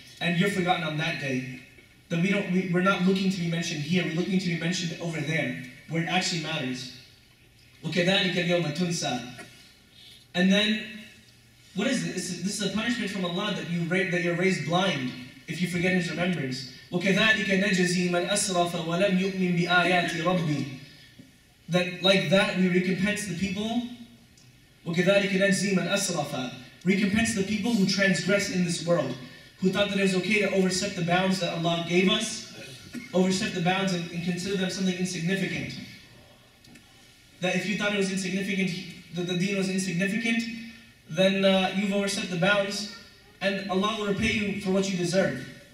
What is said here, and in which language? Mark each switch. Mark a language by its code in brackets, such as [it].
[en] And you're forgotten on that day. That we're not looking to be mentioned here, we're looking to be mentioned over there, where it actually matters. [ar] وَكَذَلِكَ الْيَوْمَ تُنْسَى. [en] And then, what is this? This is a punishment from Allah that you're raised blind if you forget His remembrance. [ar] وَكَذَلِكَ نَجَزِي مَنْ أَسْرَفَ وَلَمْ يُؤْمِنْ بِآيَاتِ رَبِّي, [en] that like that we recompense the people. [ar] وَكَذَلِكَ نَجَزِي مَنْ أَسْرَفَ, [en] recompense the people who transgress in this world, who thought that it was okay to overstep the bounds that Allah gave us, overstep the bounds and consider them something insignificant. That if you thought it was insignificant, that the deen was insignificant, then you've overstepped the bounds, and Allah will repay you for what you deserve.